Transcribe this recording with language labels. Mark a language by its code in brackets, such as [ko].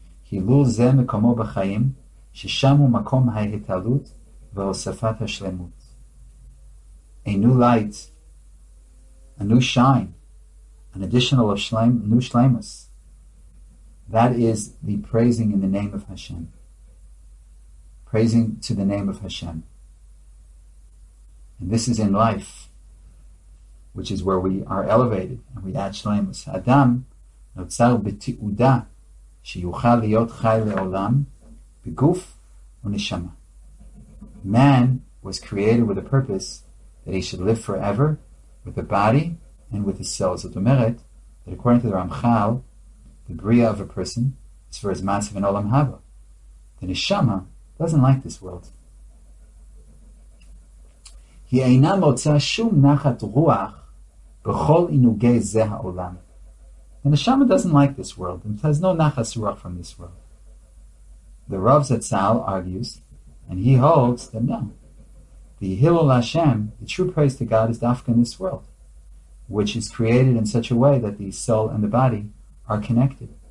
[he] Hilul ze mekomo b'chaim, ששם הוא מקום ההתעלות והוספת השלמות. [en] A new light, a new shine, an additional of new shlemus. That is the praising in the name of Hashem. Praising to the name of Hashem. And this is in life, which is where we are elevated and we add shlemus. [he] Adam nutzar b'ti'uda שיוכל להיות חי לעולם בגוף ונשמה. [en] Man was created with a purpose that he should live forever with the body and with the soul. [he] זאת אומרת, [en] that according to the Ramchal, the bria of a person is for his massive and olam haba. The neshama doesn't like this world. He [he] אינה מוצא שום נחת רוח בכל עינוגי זה העולם. [en] The neshama doesn't like this world and has no nachas ruach from this world. The Rav Zatzal argues, and he holds that no, the Hilul Hashem, the true praise to God, is dafka in this world, which is created in such a way that the soul and the body are connected.